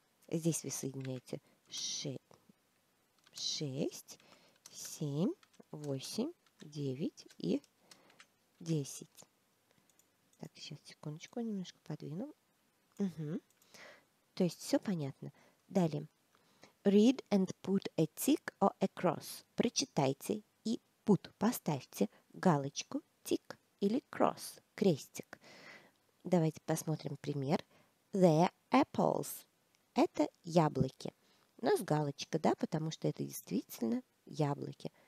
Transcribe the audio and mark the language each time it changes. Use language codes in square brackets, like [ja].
[ru] Здесь вы соединяете шесть. 6, 7, 8, 9 и 10. Так, сейчас, секундочку, немножко подвину. Угу. То есть, все понятно. Далее. [en] Read and put a tick or a cross. [ru] Прочитайте и put. Поставьте галочку tick или cross, крестик. Давайте посмотрим пример. [en] They're apples. [ru] Это яблоки. У нас галочка, да, потому что это действительно яблоки.